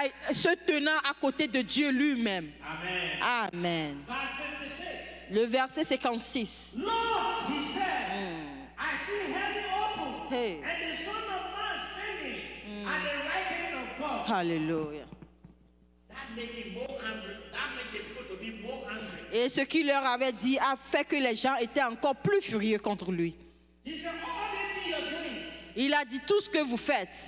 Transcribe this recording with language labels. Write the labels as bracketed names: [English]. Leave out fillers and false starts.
[French] Se tenant à côté de Dieu lui-même. Amen. Le verset 56. [English] Lord, he said, I see heaven open, and the Son of Man standing at the right hand of God. Hallelujah. That made him more angry. That made the people to be more angry. [French] Et ce qu'il leur avait dit a fait que les gens étaient encore plus furieux contre lui. [English] He said, all the things you're doing. [French] Il a dit tout ce que vous faites.